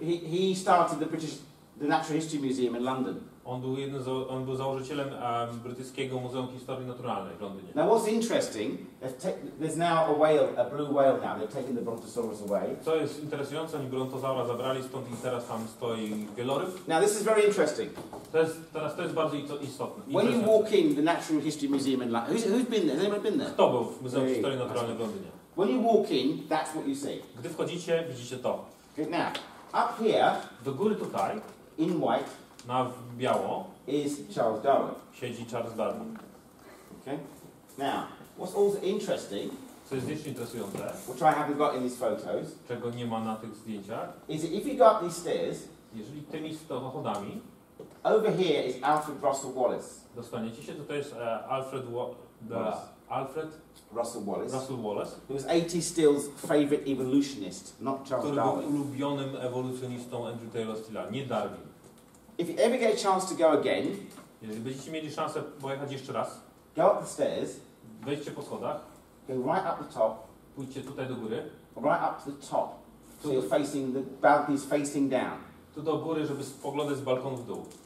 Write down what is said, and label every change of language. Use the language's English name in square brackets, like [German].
[English] He started the British the Natural History Museum in London. [Polish] On był założycielem brytyjskiego Muzeum Historii Naturalnej w Londynie. [English] Now what's interesting, there's now a blue whale now, they've taken the brontosaurus away. [Polish] Co jest interesujące, oni brontozaura zabrali, stąd i teraz tam stoi wieloryb. [English] Now this is very interesting. [Polish] To jest bardzo istotne. [English] When you walk in the Natural History Museum in London, who's been there? Has anyone been there? [Polish] Kto był w Muzeum Historii Naturalnej w Londynie? [English] When you walk in, that's what you see. [Polish] Gdy wchodzicie, widzicie to. [English] Good. Now, up here, [Polish] do góry tutaj, [English] in white, [Polish] na biało [English] is Charles Darwin. [Polish] Siedzi Charles Darwin. [English] Okay. Now, what's also interesting? [Polish] Co jest jeszcze interesujące? [English] Which I haven't got in these photos. [Polish] Czego nie ma na tych zdjęciach? [English] Is that if you go up these stairs? [Polish] Jeżeli tymi schodami. [English] Over here is Alfred Russel Wallace. [Polish] Dostaniecie się, to jest Alfred Alfred [English] Russell Wallace. [Polish] Russell Wallace. [English] Who was A.T. Steele's favorite evolutionist, not Charles [Polish] który [English] Darwin. [Polish] Który był ulubionym ewolucjonistą Andrew Taylor Steele'a, nie Darwin. [English] If you ever get a chance to go again, [Polish] jeżeli będziecie mieli szansę pojechać jeszcze raz, [English] go up the stairs, [Polish] wejdźcie po schodach, [English] go right up the top, [Polish] pójdźcie tutaj do góry, [English] right up to the top, [Polish] w [English] So you're facing the balcony's facing down. [Polish] To do góry, żeby spoglądać z balkonu w dół.